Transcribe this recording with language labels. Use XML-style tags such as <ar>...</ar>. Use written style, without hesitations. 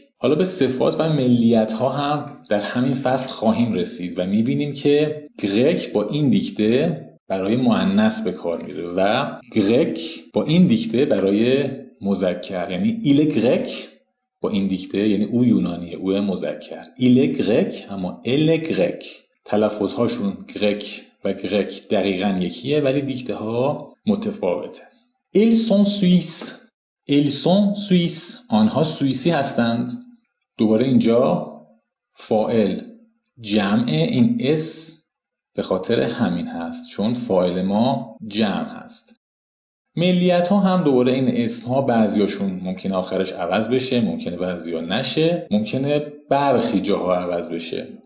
<fa>حالا به صفات و ملیت ها هم در همین فصل خواهیم رسید و میبینیم که گرک با این دیکته برای مؤنث به کار میره و گرک با این دیکته برای مذکر، یعنی ایل گرک با این دیکته، یعنی او یونانیه، او مذکر، ایل گرک، اما ایل گرک. تلفظ هاشون گرک و گرک دقیقا یکیه ولی دیکته ها متفاوته.</fa> <fr>ils sont suisses، ils sont suisses،</fr> <fa>آنها سوئیسی هستند. دوباره اینجا فاعل جمع این اس به خاطر همین هست، چون فاعل ما جمع هست. ملیت ها هم دوباره این اسم ها بعضیاشون ممکنه آخرش عوض بشه، ممکنه بعضیا نشه، ممکنه برخی جاها عوض بشه.</fa>